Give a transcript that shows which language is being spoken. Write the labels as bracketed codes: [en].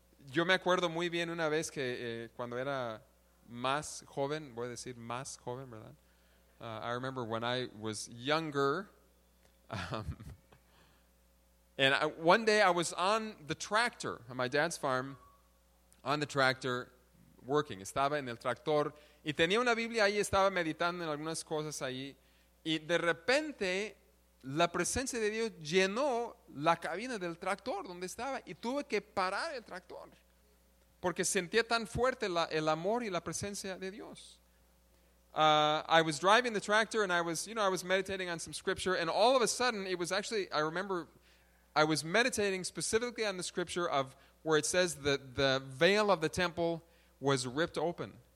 [es] Yo me acuerdo muy bien una vez que cuando era más joven, voy a decir más joven, ¿verdad? [en] I remember when I was younger, and one day I was on the tractor on my dad's farm, on the tractor, working. [es] Estaba en el tractor y tenía una Biblia ahí, estaba meditando en algunas cosas ahí, y de repente la presencia de Dios llenó la cabina del tractor donde estaba, y tuve que parar el tractor porque sentía tan fuerte el amor y la presencia de Dios. [en] I was driving the tractor and I was, you know, I was meditating on some scripture, and all of a sudden it was actually, I remember I was meditating specifically on the scripture of where it says that the veil of the temple was ripped open.